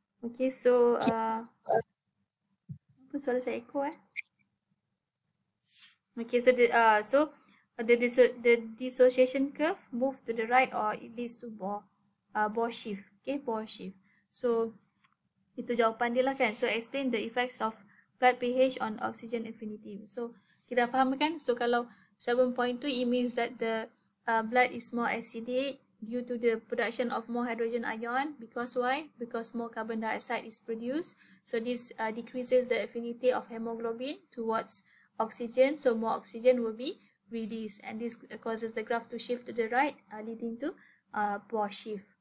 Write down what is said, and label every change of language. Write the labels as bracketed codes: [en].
[ms] Okay, so apa suara saya echo eh? [en] Okay, so the dissociation curve move to the right or it leads to bore shift. Okay, bore shift. [ms] So itu jawapan dia lah kan. [en] So explain the effects of blood pH on oxygen affinity. So [ms] kita faham kan? [en] So kalau 7.2, it means that the blood is more acidic due to the production of more hydrogen ion. Because why? Because more carbon dioxide is produced. So this decreases the affinity of hemoglobin towards oxygen, so more oxygen will be released, and this causes the graph to shift to the right, leading to bore shift.